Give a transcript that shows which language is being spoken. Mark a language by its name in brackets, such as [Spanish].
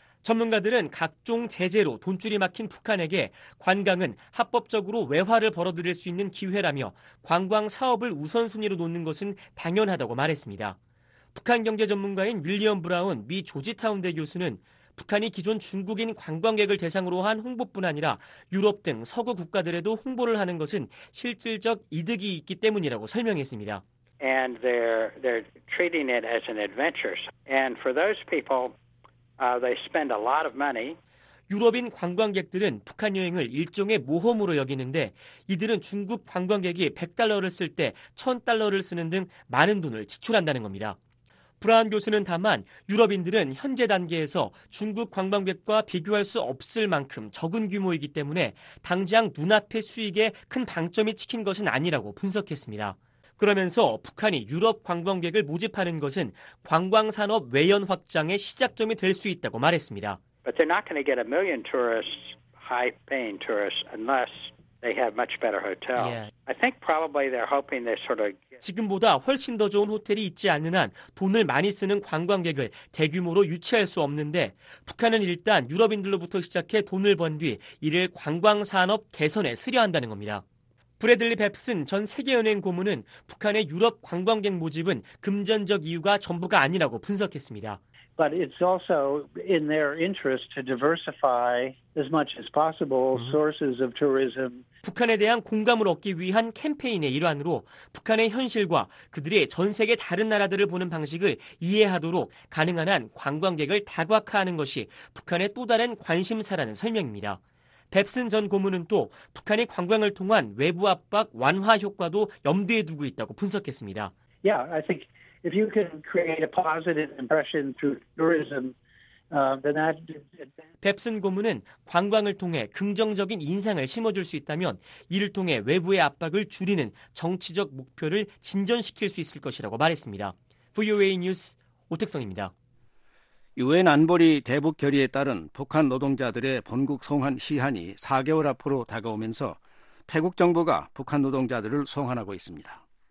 [Korean] 전문가들은 각종 제재로 돈줄이 막힌 북한에게 관광은 합법적으로 외화를 벌어들일 수 있는 기회라며 관광 사업을 우선순위로 놓는 것은 당연하다고 말했습니다. 북한 경제 전문가인 윌리엄 브라운 미 조지타운대 교수는 북한이 기존 중국인 관광객을 대상으로 한 홍보뿐 아니라 유럽 등 서구 국가들에도 홍보를 하는 것은 실질적 이득이 있기 때문이라고 설명했습니다. [English] And they're treating it as an adventure. And for those people, they spend a lot of money. [Korean] 유럽인 관광객들은 북한 여행을 일종의 모험으로 여기는데 이들은 중국 관광객이 100달러를 쓸 때 1000달러를 쓰는 등 많은 돈을 지출한다는 겁니다. 브라운 교수는 다만 유럽인들은 현재 단계에서 중국 관광객과 비교할 수 없을 만큼 적은 규모이기 때문에 당장 눈앞의 수익에 큰 방점이 찍힌 것은 아니라고 분석했습니다. 그러면서 북한이 유럽 관광객을 모집하는 것은 관광산업 외연 확장의 시작점이 될 수 있다고 말했습니다. [English] But they're not going to get a million tourists, high-paying tourists, unless they have much better hotels. Yeah. I think probably they're hoping they sort of [Korean] 지금보다 훨씬 더 좋은 호텔이 있지 않는 한 돈을 많이 쓰는 관광객을 대규모로 유치할 수 없는데 북한은 일단 유럽인들로부터 시작해 돈을 번 뒤 이를 관광산업 개선에 쓰려 한다는 겁니다. 브래들리 뱁슨 전 세계은행 고문은 북한의 유럽 관광객 모집은 금전적 이유가 전부가 아니라고 분석했습니다. [English] But it's also in their interest to diversify as much as possible sources of tourism. [Korean] 북한에 대한 공감을 얻기 위한 캠페인의 일환으로 북한의 현실과 그들이 전 세계 다른 나라들을 보는 방식을 이해하도록 가능한 한 관광객을 다각화하는 것이 북한의 또 다른 관심사라는 설명입니다. 뱁슨 전 고문은 또 북한이 관광을 통한 외부 압박 완화 효과도 염두에 두고 있다고 분석했습니다. [English] Yeah, I think if you can create a positive impression through tourism, then that. [Korean] 뱁슨 고문은 관광을 통해 긍정적인 인상을 심어줄 수 있다면 이를 통해 외부의 압박을 줄이는 정치적 목표를 진전시킬 수 있을 것이라고 말했습니다. VOA 뉴스 오택성입니다. 유엔 안보리 대북 결의에 따른 북한 노동자들의 본국 송환 시한이 4개월 앞으로 다가오면서 태국 정부가 북한 노동자들을 송환하고 있습니다.